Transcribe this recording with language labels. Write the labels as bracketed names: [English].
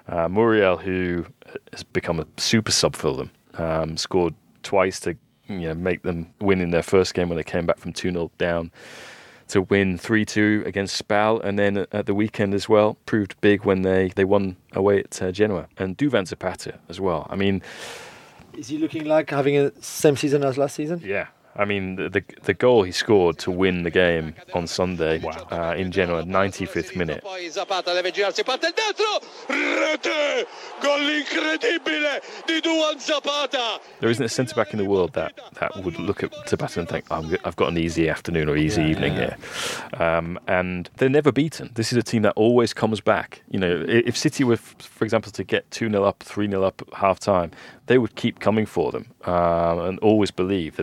[English] Muriel, who has become a super sub for them, scored twice to, you know, make them win in their first game when they came back from 2-0 down to win 3-2 against Spal, and then at the weekend as well, proved big when they won away at Genoa. And Duvan Zapata as well. I mean, is he looking like having a same season as last season? Yeah. I mean, the goal he scored to win the game on Sunday, wow, in Genoa, 95th minute. [Italian] Poi Zapata deve girarsi, parte il destro, rete, gol incredibile di Duvan Zapata. [English] There isn't a centre back in the world that would look at Zapata and think, I've got an easy afternoon or easy evening here. And they're never beaten. This is a team that always comes back. You know, if City were, for example, to get 2-0 up, 3-0 up at half time, they would keep coming for them, and always believe.